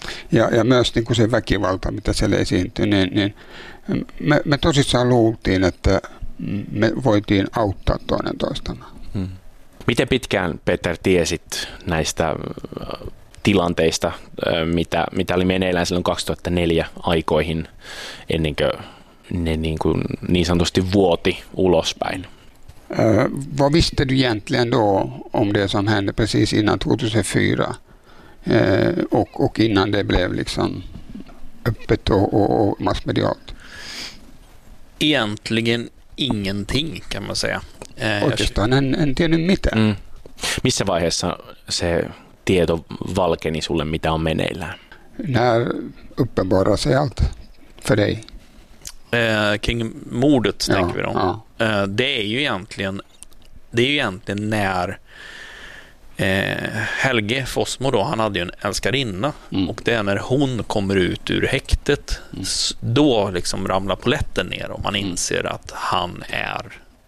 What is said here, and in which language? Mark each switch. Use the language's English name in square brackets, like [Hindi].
[Finnish] Ja myös niin kuin se väkivalta, mitä siellä esiintyi, niin me tosissaan luultiin, että me voitiin auttaa toinen toistamme. Mm. Miten pitkään, Peter, tiesit näistä tilanteista, mitä oli meneillään silloin 2004 aikoihin, ennen kuin ne niin, kuin niin sanotusti vuoti ulospäin? [Swedish] Vad visste du egentligen då om det som hände precis innan 2004 och innan det blev liksom öppet och massmedialt? Egentligen ingenting, kan man säga. [Finnish] Oikeastaan en tiennyt mitään. Mm. Missä vaiheessa se tieto valkeni sulle, mitä on meneillään? [Swedish] När uppenbarar sig allt för dig. Kring mordet, ja, tänker vi då. Ja. Det är ju egentligen när Helge Fossmo då, han hade ju en älskarinna, och det är när hon kommer ut ur häktet, då liksom ramlar poletten ner och man inser att han är